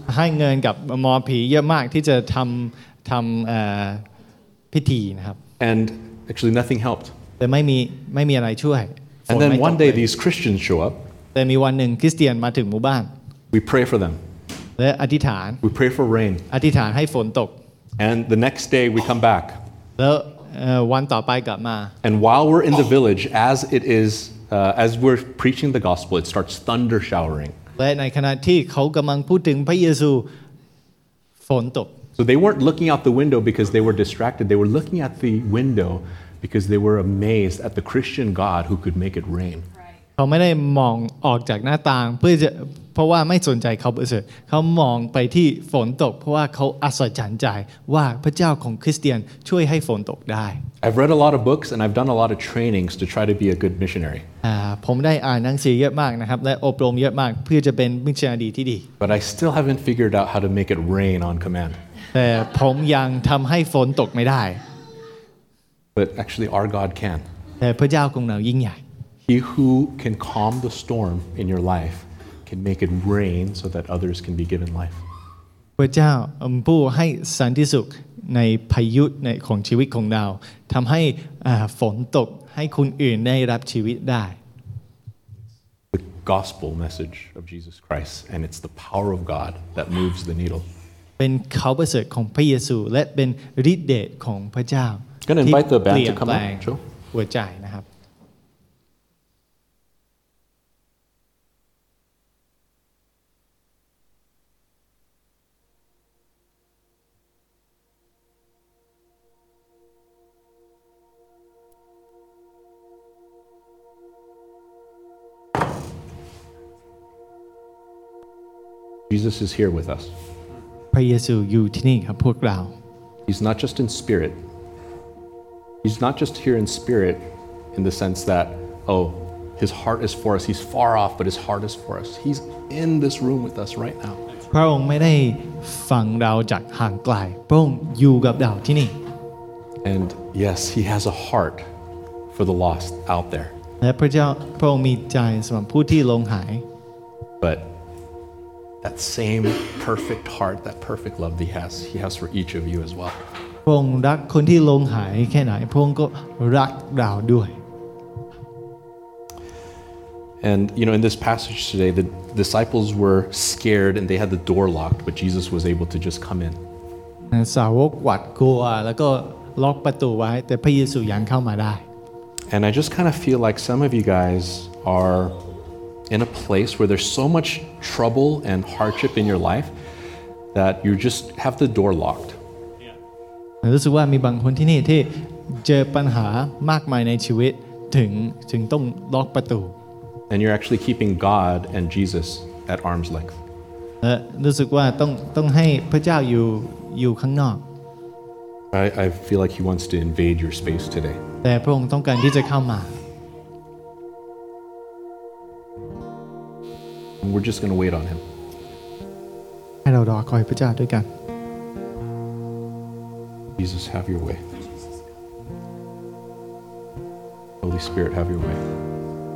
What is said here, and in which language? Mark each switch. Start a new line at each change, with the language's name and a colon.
Thai: ให้เงินกับหมอผีเยอะมากที่จะทำพิธีนะครับ
English: And actually nothing helped.
Thai: แต่ไม่มีอะไรช่วย
English: And then one day these Christians show up.
Thai: แต่มีวันหนึ่งคริสเตียนมาถึงหมู่บ้าน
English: We pray for them
Thai: และอธิษฐาน
English: We pray for rain
Thai: อธิษฐานให้ฝนตก
English: And the next day we come back
Thai: แล้ววันต่อไปกลับมา
English: And while we're in the village as it is as we're preaching the gospel it starts thunder showering
Thai: และในขณะที่เขากำลังพูดถึงพระเยซูฝนตก
English: So they weren't looking out the window because they were distracted they were looking at the window because they were amazed at the Christian God who could make it rain
Thai: เขาไม่ได้มองออกจากหน้าต่างเพราะว่าไม่สนใจเขาเขามองไปที่ฝนตกเพราะว่าเขาอัศจรรย์ใจว่าพระเจ้าของคริสเตียนช่วยให้ฝนตกได้
English: I've read a lot of books and I've done a lot of trainings to try to be a good missionary
Thai: ผมได้อ่านหนังสือเยอะมากนะครับและอบรมเยอะมากเพื่อจะเป็นมิชชันนารีที่ดี
English: But I still haven't figured out how to make it rain on command
Thai: แต่ผมยังทำให้ฝนตกไม่ได้
English: But actually our God can
Thai: แต่พระเจ้าของเรายิ่งใหญ่
English: He who can calm the storm in your life can make it rain so that others can be given life.
Thai: พระเจ้าผู้ให้สันติสุขในพายุในของชีวิตของเราทำให้ฝนตกให้คนอื่นได้รับชีวิตได้
English: The gospel message of Jesus Christ and it's the power of God that moves the needle.
Thai: เป็นข่าวประเสริฐของพระเยซูและเป็นฤทธิ์เดชของพระเจ้า ที่เปลี่ยนแปลงหั วใจนะครับ
English: Jesus is here with us.
Thai: พระเยซูอยู่ที่นี่ครับพวกเรา
English: He's not just in spirit. He's not just here in spirit in the sense that oh his heart is for us. He's far off but his heart is for us. He's in this room with us right now.
Thai: พระองค์ไม่ได้ฟังเราจากห่างไกลพระองค์อยู่กับเราที่นี่
English: And yes, he has a heart for the lost out there.
Thai: และพระเจ้าพระองค์มีใจสำหรับผู้ที่หลงหาย
English: ButThat same perfect heart, that perfect love that he has for each of you as well.
Thai: พระองค์รักคนที่หลงหายแค่ไหนพระองค์ก็รักเราด้วย
English: And you know, in this passage today, the disciples were scared and they had the door locked, but Jesus was able to just come in.
Thai: สาวกหวาดกลัวแล้วก็ล็อกประตูไว้แต่พระเยซูยังเข้ามาได้
English: And I just kind of feel like some of you guys are. In a place where there's so much trouble and hardship in your life that you just have the door locked.
Thai: Yeah. รู้สึกว่ามีบางคนที่นี่ที่เจอปัญหามากมายในชีวิตถึงต้องล็อกประตู
English: And you're actually keeping God and Jesus at arm's length.
Thai: รู้สึกว่าต้องให้พระเจ้าอยู่ข้างนอก
English: I feel like he wants to invade your space today.
Thai: แต่พระองค์ต้องการที่จะเข้ามา
English: We're just going to wait on him.
Thai: ให้เรารอคอยพระเจ้าด้วยกัน
English: Jesus, have your way. Holy Spirit, have your way.